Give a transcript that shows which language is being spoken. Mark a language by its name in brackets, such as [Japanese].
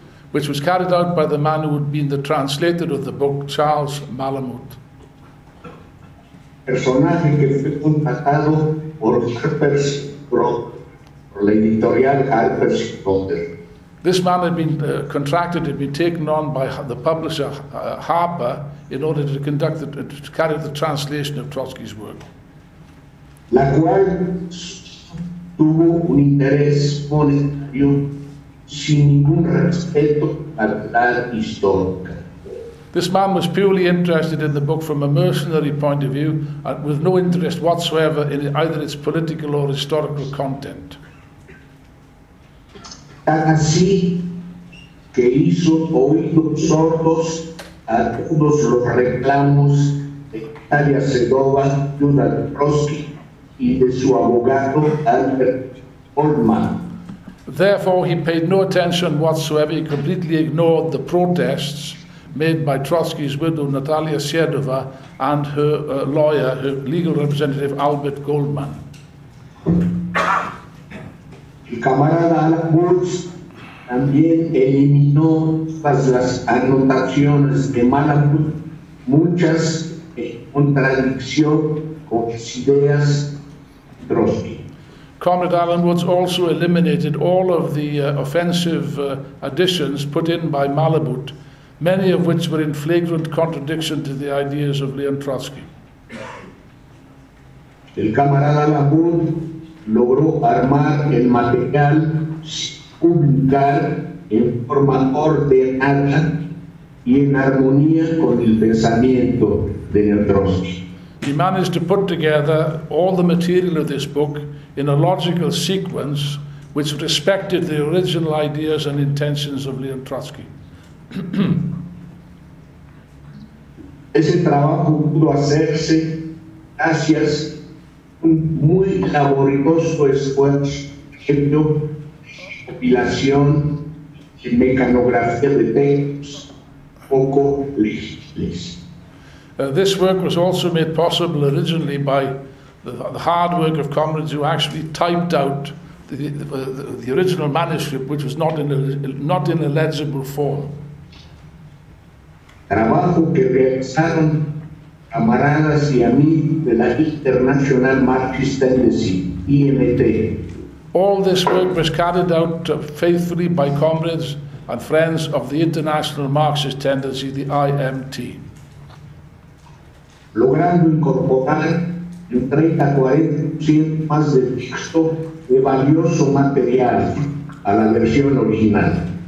[English] Which was carried out by the man who had been the translator of the book, Charles Malamud. [Spanish] Personaje que fue contratado por Harper's por la editorial Harper's [English] This man had been contracted, had been taken on by the publisher Harper in order to conduct to carry the translation of Trotsky's work. [Spanish] La cual tuvo un interés monetario sin ningún respeto a la histórica. [English] This man was purely interested in the book from a mercenary point of view and with no interest whatsoever in either its political or historical content. [Spanish] Tan así que hizo oídos sordos a todos los reclamos de Natalia Segova, Judas Trotsky y de su abogado Albert Holman. [English] Therefore, he paid no attention whatsoever. He completely ignored the protests made by Trotsky's widow, Natalia Sedova, and her lawyer, her legal representative, Albert Goldman. [Spanish] El camarada Burks también eliminó todas las anotaciones de Malamud, muchas en contradicción con sus ideas de Trotsky. [English] Comrade Alan Woods also eliminated all of the offensive additions put in by Malamud, many of which were in flagrant contradiction to the ideas of Leon Trotsky. [Spanish] El camarada Alan Woods logró armar el material publicar en forma ordenada y en armonía con el pensamiento de Leon Trotsky. [English] He managed to put together all the material of this book in a logical sequence which respected the original ideas and intentions of Leon Trotsky. [Spanish] Ese trabajo pudo hacerse gracias a un muy laborioso esfuerzo de compilación y mecanografía de textos poco legibles. [English] This work was also made possible originally by the hard work of comrades who actually typed out the original manuscript, which was not in a legible form. [Spanish] Trabajo que realizaron camaradas y amigos de la International Marxist Tendency, IMT. [English] All this work was carried out faithfully by comrades and friends of the International Marxist Tendency, the IMT. [Spanish] Logrando incorporar en 30-40% más de texto de valioso material a la versión original.